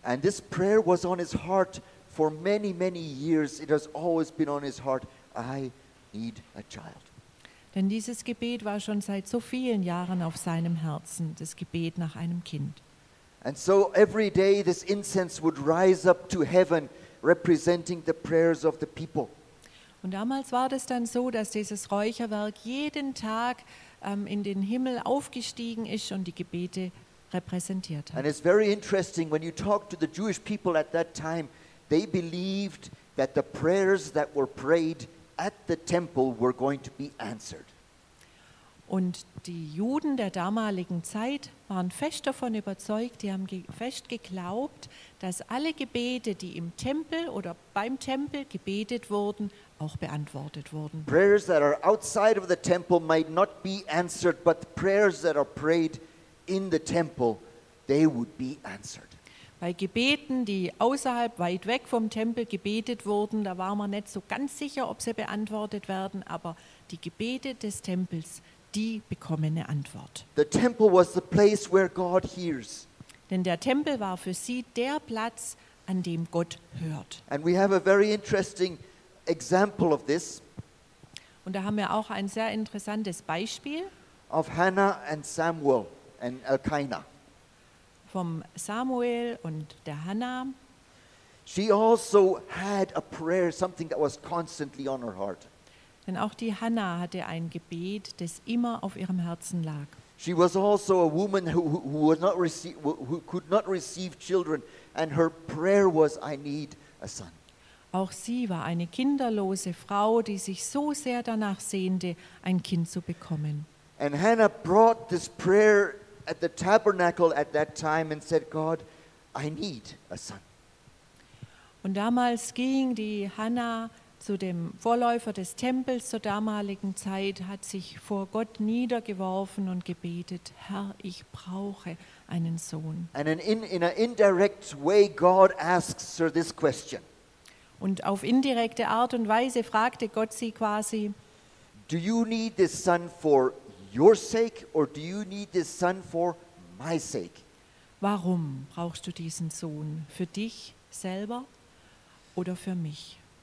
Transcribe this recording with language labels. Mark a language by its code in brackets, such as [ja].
[en] And this prayer was on his heart for many, many years. It has always been on his heart, I need a child. [de] Denn dieses Gebet war schon seit so vielen Jahren auf seinem Herzen, das Gebet nach einem Kind. [en] And so every day this incense would rise up to heaven, representing the prayers of the people. [de] Und damals war das dann so, dass dieses Räucherwerk jeden Tag in den Himmel aufgestiegen ist und die Gebete repräsentiert hat. [en] And it's very interesting, when you talk to the Jewish people at that time, they believed that the prayers that were prayed at the temple were going to be answered. [de] Und die Juden der damaligen Zeit waren fest davon überzeugt, die haben fest geglaubt, dass alle Gebete, die im Tempel oder beim Tempel gebetet wurden, auch beantwortet wurden. [en] Prayers that are outside of the temple might not be answered, but the prayers that are prayed in the temple, they would be answered. [de] Bei Gebeten, die außerhalb, weit weg vom Tempel gebetet wurden, da war man nicht so ganz sicher, ob sie beantwortet werden, aber die Gebete des Tempels, die bekommen eine Antwort. [en] The temple was the place where God hears. [de] Denn der Tempel war für sie der Platz, an dem Gott hört. [en] And we have a very interesting example of this. [de] Und da haben wir auch ein sehr interessantes Beispiel. [en] Of Hannah and Samuel and Elkanah. [de] Vom Samuel und der Hannah. [en] She also had a prayer, something that was constantly on her heart. [de] Denn auch die Hannah hatte ein Gebet, das immer auf ihrem Herzen lag. [en] She was also a woman who could not receive children, and her prayer was, I need a son. [de] Auch sie war eine kinderlose Frau, die sich so sehr danach sehnte, ein Kind zu bekommen. [en] And Hannah brought this prayer at the tabernacle at that time and said, God, I need a son. [de] Und damals ging die Hannah zu dem Vorläufer des Tempels zur damaligen Zeit, hat sich vor Gott niedergeworfen und gebetet, Herr, ich brauche einen Sohn. [en] And in an indirect way, God asks her this question. [de] Und auf indirekte Art und Weise fragte Gott sie quasi, [en] do you need this son for your sake, or do you need this son for my sake? [de] Warum brauchst du diesen Sohn? Für dich selber oder für mich?